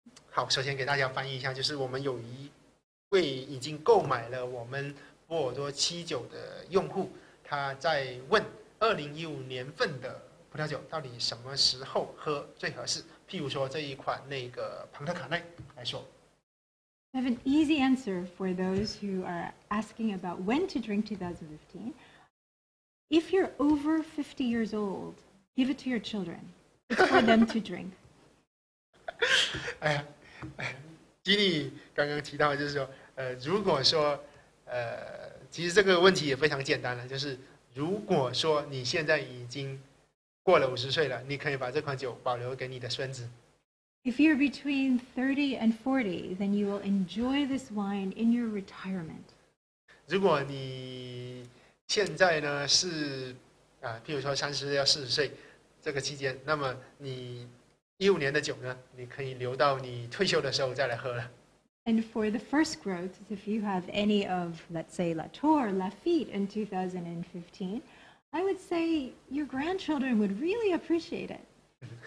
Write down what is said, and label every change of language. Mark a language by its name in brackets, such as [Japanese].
[Chinese] 好，首先给大家翻译一下，就是我们有一位已经购买了我们波尔多79的用户，他在问2015年份的葡萄酒到底什么时候喝最合适，譬如说这一款那个庞特卡奈来说。 [English] I have an easy answer for those who are asking about when to drink 2015. If you're over 50 years old, give it to your children. It's for them to drink. [Chinese] 哎呀，吉尼刚刚提到，就是说，如果说，其实这个问题也非常简单了，就是如果说你现在已经过了50岁了，你可以把这款酒保留给你的孙子。 [English] If you're between 30 and 40, then you will enjoy this wine in your retirement. [Chinese] 如果你现在呢是啊，譬如说30到40岁这个期间，那么你15年的酒呢，你可以留到你退休的时候再来喝了。 [English] And for the first growth, if you have any of, let's say, Latour, Lafite in 2015, I would say your grandchildren would really appreciate it.